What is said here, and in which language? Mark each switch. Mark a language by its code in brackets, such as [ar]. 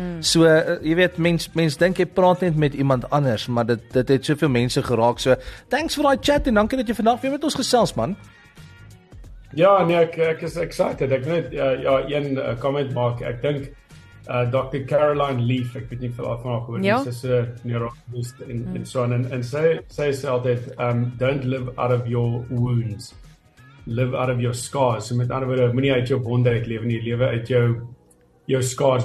[af] So jy weet, mens dink jy praat net met iemand anders, maar dit het soveel mense geraak, so thanks vir daai chat en dankie dat jy vandag weer met ons gesels man. Ja, nee, ek is excited. Ek wil net een comment maak. Ek dink Dr. Caroline Leaf, ek weet nie veel van haar gehoor, sy is 'n neurologist en so aan. En sy sê altyd, [en] don't live out of your wounds. Live out of your scars. [af] So met ander woorde, moenie uit jou wonde uitlewe nie, lewe uit jou scars.